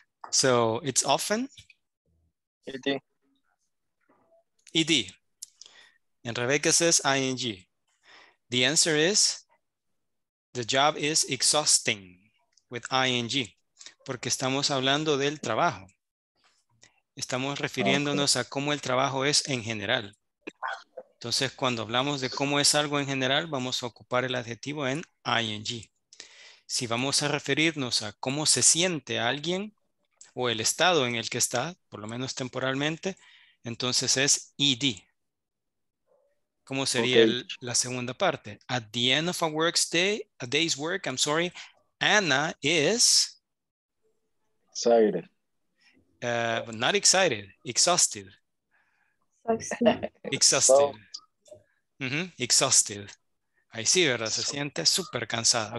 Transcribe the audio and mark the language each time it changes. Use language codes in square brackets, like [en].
[en] So it's often. Ed. Ed. And Rebecca says ing. The answer is the job is exhausting with ing. [es] Porque estamos hablando del trabajo. Estamos refiriéndonos a cómo el trabajo es en general. Entonces, cuando hablamos de cómo es algo en general, vamos a ocupar el adjetivo en ing. Si vamos a referirnos a cómo se siente alguien o el estado en el que está, por lo menos temporalmente, entonces es ed. ¿Cómo sería la segunda parte? [en] At the end of a day's work, I'm sorry, Anna is... Excited. Not excited, exhausted. Exhausted. [es] Mm-hmm. Exhausted. Ahí sí, ¿verdad? Se siente súper cansada.